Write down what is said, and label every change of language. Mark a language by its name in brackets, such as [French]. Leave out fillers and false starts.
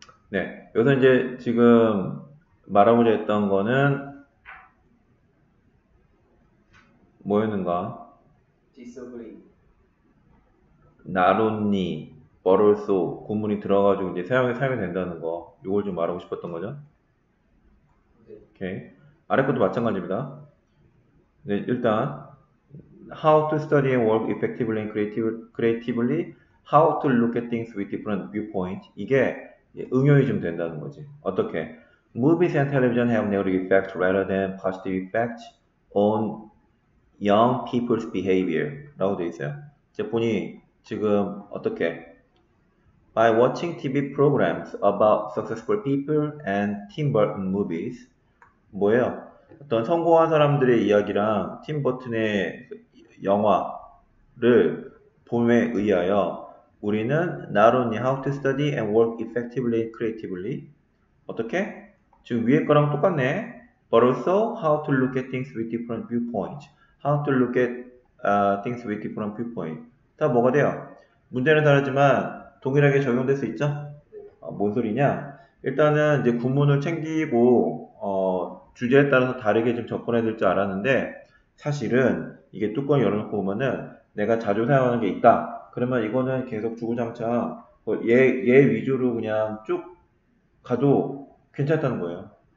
[Korean] 네, 여기서 이제 지금 말하고자 했던 거는 뭐였는가? [English] Disagree. Not only, but also [Korean] 구문이 들어가지고 이제 사용이 된다는 거, 이걸 좀 말하고 싶었던 거죠? 네. 오케이. 아래 것도 마찬가지입니다. 네, 일단. [English] How to study and work effectively and creatively? How to look at things with different viewpoints? [Korean] 이게 응용이 좀 된다는 거지. 어떻게? [English] Movies and television have negative effects rather than positive effects on young people's behavior. [Korean] 라고 되어 있어요. 이제 보니 지금 어떻게? [English] By watching TV programs about successful people and Tim Burton movies. [Korean] 뭐예요? 어떤 성공한 사람들의 이야기랑 팀 버튼의 영화를 봄에 의하여 우리는 [English] not only how to study and work effectively and creatively [Korean] 어떻게? 지금 위에 거랑 똑같네 [English] but also how to look at things with different viewpoints [Korean] how to look at things with different viewpoints 다 뭐가 돼요? 문제는 다르지만 동일하게 적용될 수 있죠? 뭔 소리냐? 일단은 이제 구문을 챙기고 주제에 따라서 다르게 좀 접근해야 될 줄 알았는데 사실은 이게 뚜껑 열어놓고 보면은 내가 자주 사용하는 게 있다. 그러면 이거는 계속 주구장창 얘 위주로 그냥 쭉 가도 괜찮다는 거예요.